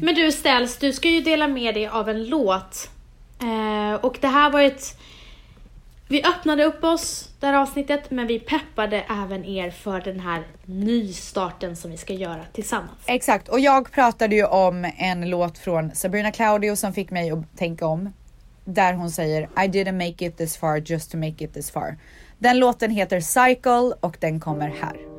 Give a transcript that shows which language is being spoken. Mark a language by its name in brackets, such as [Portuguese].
[Swedish] Men du Ställs, du ska ju dela med dig av en låt. Och det här var ett... Vi öppnade upp oss det här avsnittet, men vi peppade även er för den här nystarten som vi ska göra tillsammans. Exakt, och jag pratade ju om en låt från Sabrina Claudio som fick mig att tänka om. Där hon säger, [English] I didn't make it this far just to make it this far. [Swedish] Den låten heter Cycle och den kommer här.